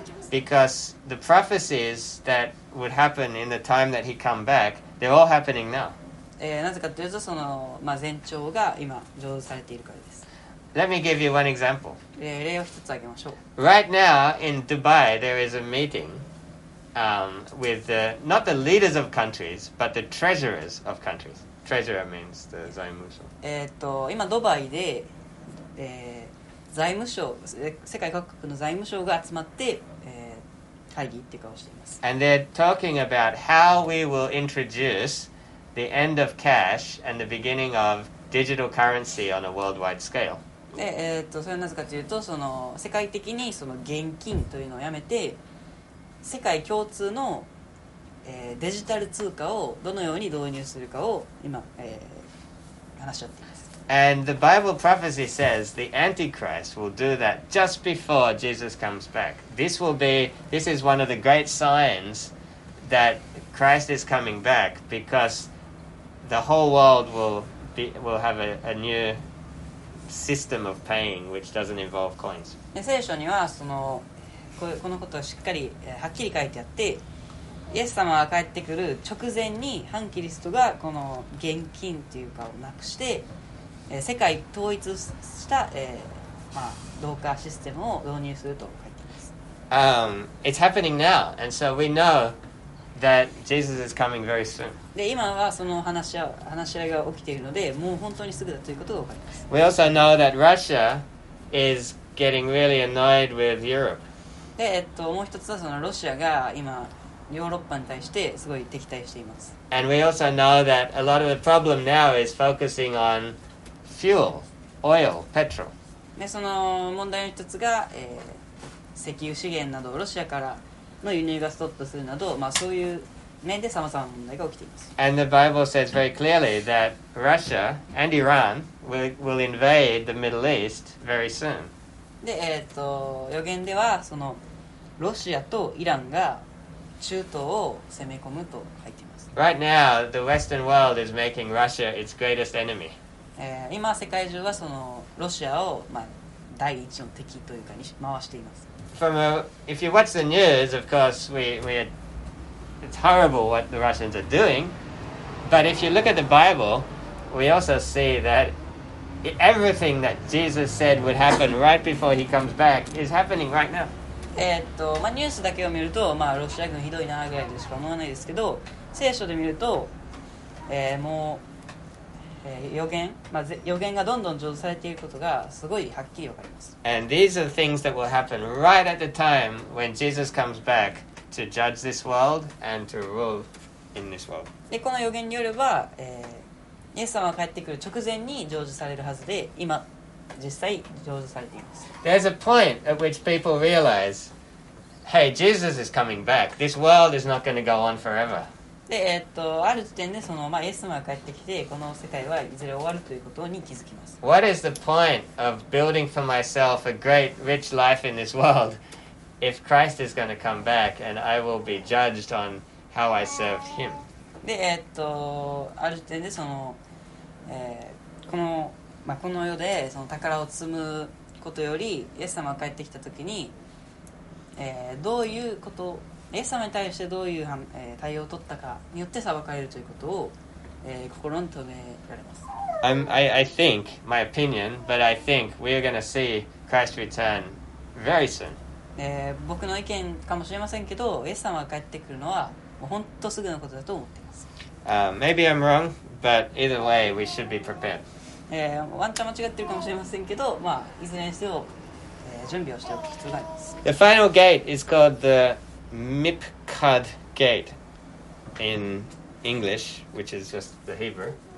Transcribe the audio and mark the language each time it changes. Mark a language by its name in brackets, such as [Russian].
[English] Because the prophecies that would happen in the time that he come back, they're all happening now. [Japanese] なぜかというと、その、まあ、前兆が今成就されているからです。 [English] Let me give you one example. [Japanese] 例を一つ挙げましょう。 [English] Right now in Dubai there is a meeting with the, not the leaders of countries but the treasurers of countries. Treasurer means the 財務省。 [Japanese] 今ドバイで、財務省、世界各国の財務省が集まって、会議っていうかをしています。 [English] And they're talking about how we will introduce the end of cash and the beginning of digital currency on a worldwide scale. [Japanese] で、それはなぜかというと、その世界的にその現金というのをやめて、世界共通の、デジタル通貨をどのように導入するかを今、話し合っています。 [English] And the Bible prophecy says the Antichrist will do that just before Jesus comes back. This is one of the great signs that Christ is coming back, because the whole world will have a newsystem of paying which doesn't involve coins. [Japanese] 聖書にはそのこのことをしっかりはっきり書いてあって、イエス様が帰ってくる直前に反キリストがこの現金というかをなくして、世界統一した、まあ、同化システムを導入すると書いてあります。 [English] It's happening now, and so we know that Jesus is coming very soon. [Japanese] で、今はその話し合いが起きているので、もう本当にすぐだということが分かります。 [English] We also know that Russia is getting really annoyed with Europe. [Japanese] で、もう一つはそのロシアが今ヨーロッパに対してすごい敵対しています。 [English] And we also know that a lot of the problem now is focusing on fuel, oil, petrol. [Japanese] で、その問題の一つが、石油資源などロシアからの輸入がストップするなど、まあ、そういう面で様々な問題が起きています。 [English] And the Bible says very clearly that Russia and Iran will invade the Middle East very soon. [Japanese] で、予言ではそのロシアとイランが中東を攻め込むと書いています。 [English] Right now, the Western world is making Russia its greatest enemy. [Japanese] 今世界中はそのロシアを、まあ、第一の敵というかに回しています。 [English] If you watch the news, of course, it's horrible what the Russians are doing. But if you look at the Bible, we also see that everything that Jesus said would happen right before he comes back is happening right now. [Japanese] まあ、ニュースだけを見ると、まあ、ロシア軍ひどいなぐらいでしか思わないですけど、聖書で見ると、もう、予言がどんどん成就されていることがすごいはっきりわかります。 [English] And these are things that will happen right at the time when Jesus comes back to judge this world and to rule in this world. [Japanese] で、この予言によれば、イエス様が帰ってくる直前に成就されるはずで、今実際成就されています。 [English] There's a point at which people realize, hey, Jesus is coming back. This world is not going to go on forever [Japanese] で、ある時点でその、まあ、イエス様が帰ってきてこの世界はいずれ終わるということに気づきます。 [English] What is the point of building for myself a great rich life in this world if Christ is going to come back and I will be judged on how I served him? [Japanese] で、ある時点でそのこの、まあ、この世でその宝を積むことよりイエス様が帰ってきた時に、どういうことイエス様に対してどういう対応を取ったかによって裁かれるということを、心に留められます。 [English] I think, my opinion, but I think we are going to see Christ return very soon. [Japanese] 僕の意見かもしれませんけど、イエス様が帰ってくるのはもう本当すぐのことだと思っています。 [English] Maybe I'm wrong, but either way, we should be prepared. [Japanese] ワンチャン間違ってるかもしれませんけど、まあ、いずれにせよ、準備をしておく必要があります。 [English] The final gate is called the Mipkad Gate in English, which is just the Hebrew.